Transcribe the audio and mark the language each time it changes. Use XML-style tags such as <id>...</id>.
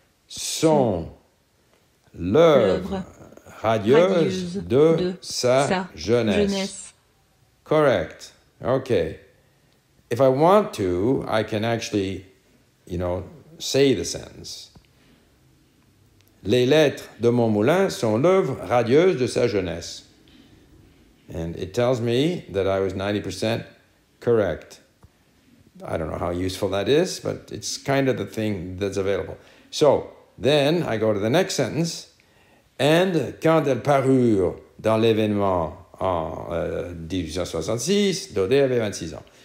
<fr>Sont l'œuvre radieuse de sa jeunesse.</fr> <en>Correct. Okay. If I want to, I can actually, say the sentence.</en> <fr>Les lettres de Montmoulin sont l'œuvre radieuse de sa jeunesse.</fr> <en>And it tells me that I was 90% correct. I don't know how useful that is, but it's kind of the thing that's available. So, then I go to the next sentence, and</en> <fr>quand elle parut dans l'événement en 1866, Daudet avait 26 ans.</fr>